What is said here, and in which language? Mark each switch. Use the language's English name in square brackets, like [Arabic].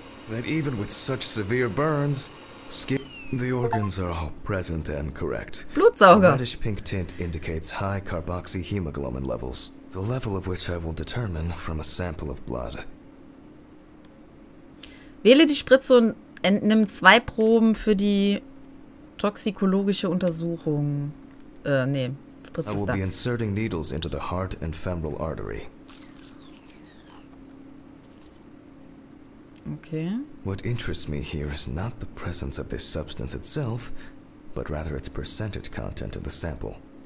[English] That even with such severe burns, skin... The organs are all present and correct. [German] Blutsauger. [English] A reddish pink tint indicates high carboxyhemoglobin levels, the level of which I will determine from a sample of blood. [German] Wähle die Spritze und entnimm 2 Proben für die toxikologische Untersuchung. Nee, Spritze ist da. [English] I will be inserting needles into the heart and femoral artery. Okay. What interests me here is not the presence of this substance itself, but rather its percentage content in the sample.